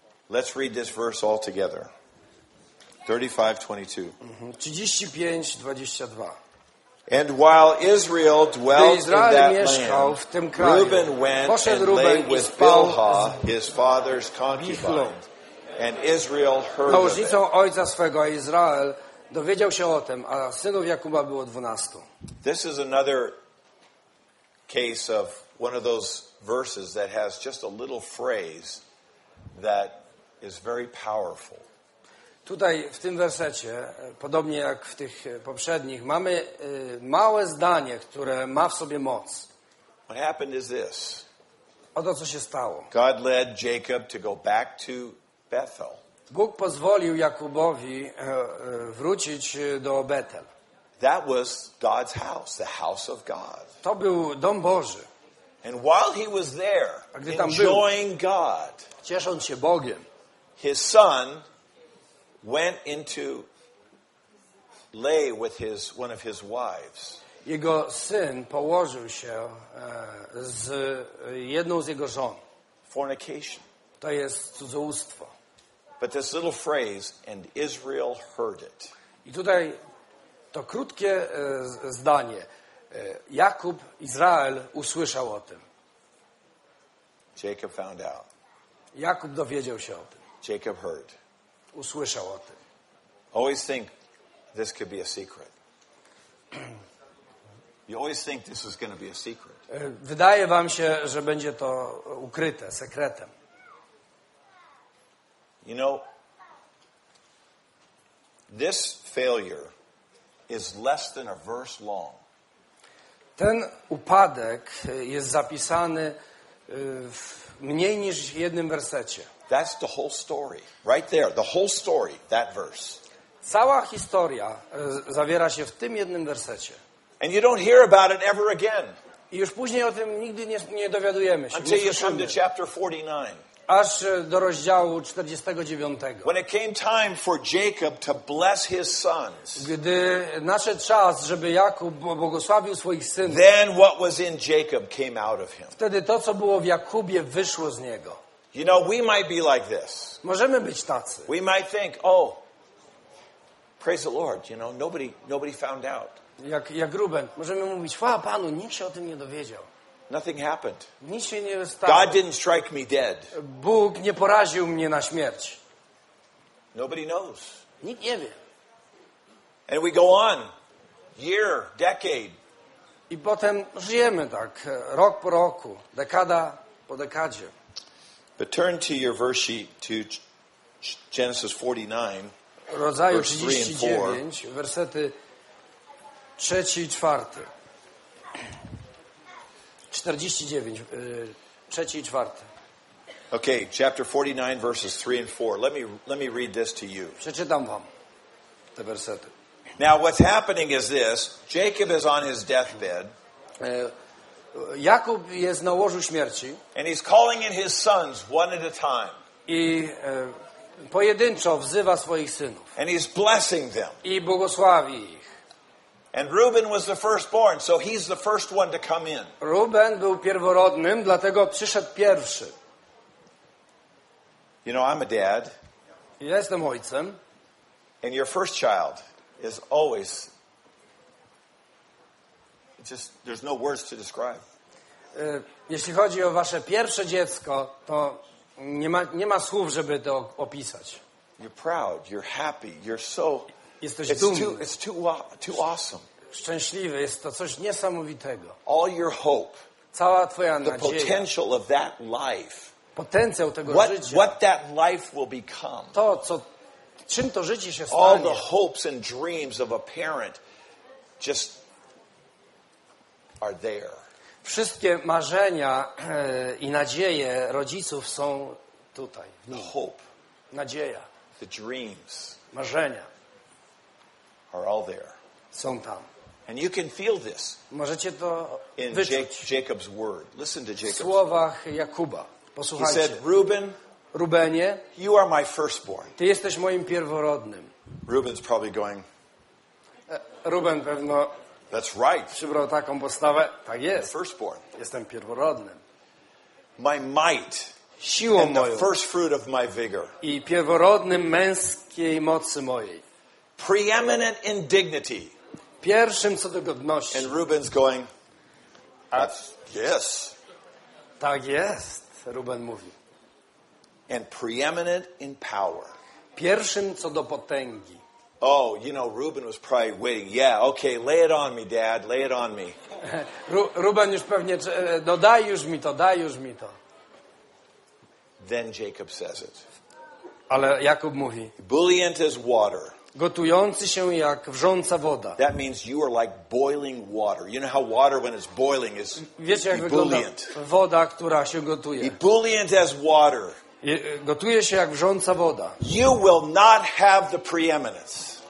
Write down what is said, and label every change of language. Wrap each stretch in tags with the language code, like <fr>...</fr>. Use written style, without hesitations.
<en>Let's read this verse all together. 35:22. 35:22. And while Israel dwelt in that land, Reuben went and lay with Bilhah, his father's concubine. And Israel heard of it.</en> <pl>Ojca swego, Izrael dowiedział się o tym, a synów Jakuba było 12.</pl> <en>This is another case of one of those verses that has just a little phrase that is very powerful.</en> <pl>Tutaj w tym wersecie, podobnie jak w tych poprzednich, mamy małe zdanie, które ma w sobie moc.</pl> <en>What happened is this.</en> <pl>Oto co się stało.</pl> <en>God led Jacob to go back to Bethel.</en> <pl>Bóg pozwolił Jakubowi wrócić do Betel.</pl> <en>That was God's house, the house of God.</en> <pl>To był dom Boży.</pl> <en>And while he was there, enjoying God,</en> <pl>ciesząc się Bogiem,</pl> <en>his son went into lay with one of his wives.</en> <pl>Jego syn położył się z jedną z jego żon.</pl> <en>Fornication.</en> <pl>To jest cudzołóstwo.</pl> <en>But this little phrase, and Israel heard it.</en> <pl>I tutaj to krótkie zdanie. Jakub, Izrael usłyszał o tym.</pl> <en>Jacob found out.</en> <pl>Jakub dowiedział się o tym.</pl> <en>Jacob heard.</en> <pl>Usłyszał o tym.</pl> <en>Always think this could be a secret. You always think this is going to be a secret.</en> <pl>Wydaje wam się, że będzie to ukryte, sekretem.</pl> <en>You know, this failure is less than a verse long.</en> <pl>Ten upadek jest zapisany w mniej niż jednym wersecie.</pl> <en>That's the whole story. Right there, the whole story, that verse.</en> <pl>Cała historia zawiera się w tym jednym wersecie.</pl> <en>And you don't hear about it ever again.</en> <pl>I już później o tym nigdy nie dowiadujemy się.</pl> <en>Until you come to chapter 49.</en> <pl>Aż do rozdziału 49.</pl> <en>When it came time for Jacob to bless his sons.</en> <pl>Gdy nadszedł czas, żeby Jakub błogosławił swoich synów.</pl> <en>Then what was in Jacob came out of him.</en> <pl>Wtedy to, co było w Jakubie, wyszło z niego.</pl> <en>You know, we might be like this.</en> <pl>Możemy być tacy.</pl> <en>We might think, oh, praise the Lord, you know, nobody found out.</en> <pl>Jak Ruben, możemy mówić, chwała Panu, nikt się o tym nie dowiedział.</pl> <en>Nothing happened.</en> <pl>Nic się nie stało.</pl> <en>God didn't strike me dead.</en> <pl>Bóg nie poraził mnie na śmierć.</pl> <en>Nobody knows.</en> <pl>Nikt nie wie.</pl> <en>And we go on. Year, decade.</en> <pl>I potem żyjemy tak, rok po roku, dekada po dekadzie.</pl> <en>But turn to your verse sheet to Genesis 49,</en> <pl>rozdziału 39, wersety 3 i 4. 49, 3 i 4.</pl> <en>Okay, chapter 49, verses 3 and 4. Let me read this to you.</en> <pl>Przeczytam wam te wersety.</pl> <en>Now what's happening is this. Jacob is on his deathbed.</en> <pl>Jakub jest na łożu śmierci.</pl> <en>And he's calling in his sons one at a time.</en> <pl>I pojedynczo wzywa swoich synów.</pl> <en>And he's blessing them.</en> <pl>I błogosławi.</pl> <en>And Reuben was the firstborn, so he's the first one to come in.</en> <pl>Reuben był pierworodnym, dlatego przyszedł pierwszy.</pl> <en>You know, I'm a dad.</en> <pl>Jestem ojcem.</pl> <en>And your first child is always just there's no words to describe.</en> <pl>Jeśli chodzi o wasze pierwsze dziecko, to nie ma słów, żeby to opisać.</pl> <en>You're proud, you're happy, you're so</en> <pl>jesteś dumny.</pl> <en>It's too awesome.</en> <pl>Szczęśliwy, jest to coś niesamowitego.</pl> <en>All your hope.</en> <pl>Cała twoja nadzieja.</pl> <en>The potential of that life.</en> <pl>Potencjał tego życia.</pl> <en>What that life will become.</en> <pl>To, co, czym to życie się stanie.</pl> <en>All the hopes and dreams of a parent just are there.</en> <pl>Wszystkie marzenia i nadzieje rodziców są tutaj.</pl> <en>The hope.</en> <pl>Nadzieja.</pl> <en>The dreams.</en> <pl>Marzenia.</pl> <en>Are all there.</en> <pl>Są tam.</pl> <en>And you can feel this.</en> <pl>Możecie to</pl> <en>in</en> <pl>wyczuć.</pl> <en>Jacob's word. Listen to Jacob's.</en> <pl>W słowach Jakuba. Posłuchajcie.</pl> <en>He said, Reuben,</en> <pl>Rubenie,</pl> <en>you are my firstborn.</en> <pl>Ty jesteś moim pierworodnym.</pl> <en>Reuben's probably going.</en> <pl>Ruben pewno.</pl> <en>That's right.</en> <pl>Przybrał taką postawę. Tak jest.</pl> <en>I'm firstborn.</en> <pl>Jestem pierworodnym.</pl> <en>My might.</en> <pl>Siłą</pl> <en>and</en> <pl>moją.</pl> <en>The first fruit of my vigor.</en> <pl>I pierworodnym męskiej mocy mojej.</pl> <en>Preeminent in dignity.</en> <pl>Pierwszym co do godności.</pl> <en>And Reuben's going. Yes.</en> <pl>Tak jest. Reuben mówi.</pl> <en>And preeminent in power.</en> <pl>Pierwszym co do potęgi.</pl> <en>Oh, you know, Reuben was probably waiting. Yeah, okay, lay it on me, Dad. Lay it on me.</en> <pl>Reuben już pewnie dodaj już mi to, daj już mi to.</pl> <en>Then Jacob says it.</en> <pl>Ale Jakub mówi.</pl> <en>Bullient as water.</en> <pl>Gotujący się jak wrząca woda.</pl> <en>That means you are like boiling water. You know how water when it's boiling is</en> <pl>wiecie, jak</pl> <en>ebullient.</en> <pl>Wygląda woda, która się gotuje.</pl> <en>Ebullient as water.</en> <pl>Gotuje się jak wrząca woda.</pl> <en>You will not have the preeminence.</en>